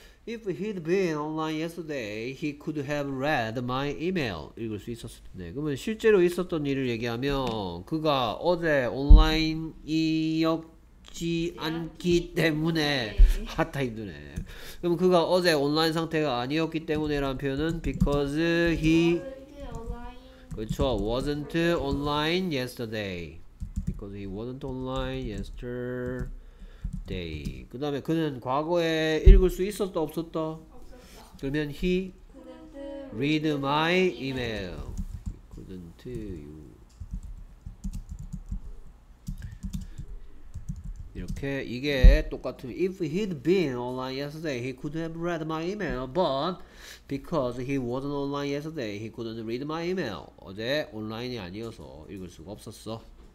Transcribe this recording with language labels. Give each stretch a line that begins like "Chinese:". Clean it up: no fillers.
English: If he'd been online yesterday, he could have read my email.
Korean: 읽을 수 있었을 텐데. 그러면 실제로 있었던 일을 얘기하면 그가 어제 온라인이었지 않기 때문에 하타 힘드네. 그럼 그가 어제 온라인 상태가 아니었기 때문에라는 표현은
English: because he wasn't online yesterday. Because he wasn't online yesterday.
Korean: 그 다음에 그는 과거에 읽을 수 있었다 없었다? 없었다.
English: 그러면 he read my email. Couldn't you?
Korean: 이렇게 이게 똑같으면
English: if he'd been online yesterday, he could have read my email. But because he wasn't online yesterday, he couldn't read my email.
Korean: 어제 온라인이 아니어서 읽을 수가 없었어.